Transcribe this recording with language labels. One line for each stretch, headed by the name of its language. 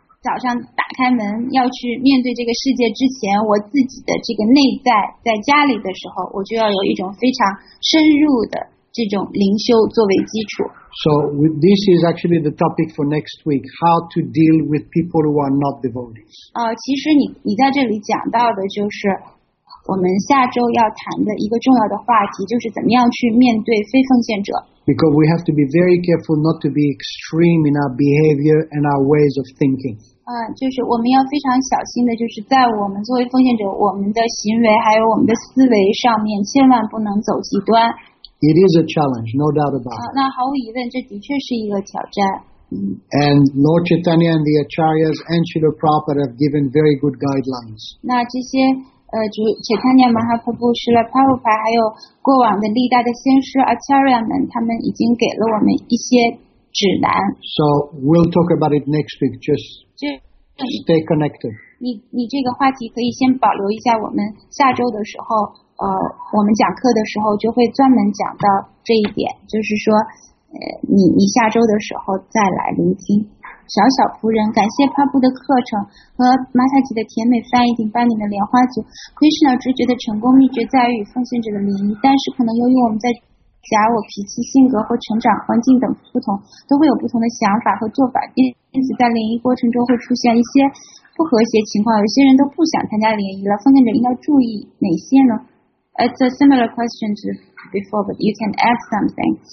Chinese: 早上打开门要去面对这个世界之前，我自己的这个内在在家里的时候，我就要有一种非常深入的这种灵修作为基础。
English: So this is actually the topic for next week, how to deal with people who are not devotees.
Chinese: 其实 你在这里讲到的就是我们下周要谈的一个重要的话题，就是怎么样去面对非奉献者。
English: Because we have to be very careful not to be extreme in our behavior and our ways of thinking.
Chinese: 就是我们要非常小心的，就是在我们作为奉献者，我们的行为还有我们的思维上面，千万不能走极端。
English: It is a challenge, no doubt about it.
Chinese: 那毫无疑问，这的确是一个挑战。
English: And Lord Chaitanya and the Acharyas and Srila Prabhupada have given very good guidelines.
Chinese: 那这些且看见马哈普布施了帕布牌，还有过往的历代的先师阿查瑞亚们，他们已经给了我们一些指南。
English: So we'll talk about it next week. Just stay connected.
Chinese: 你这个话题可以先保留一下，我们下周的时候，我们讲课的时候就会专门讲到这一点，就是说，你下周的时候再来聆听。小小仆人，感谢帕布的课程和马塔吉的甜美翻译，顶班里的莲花组。 Krishna 直觉的成功秘诀在于与奉献者的联谊，但是可能由于我们在假我脾气、性格或成长环境等不同，都会有不同的想法和做法，因此在联谊过程中会出现一些不和谐情况。有些人都不想参加联谊了，奉献者应该注意哪些呢？
English: It's a similar question to before, but you can add something.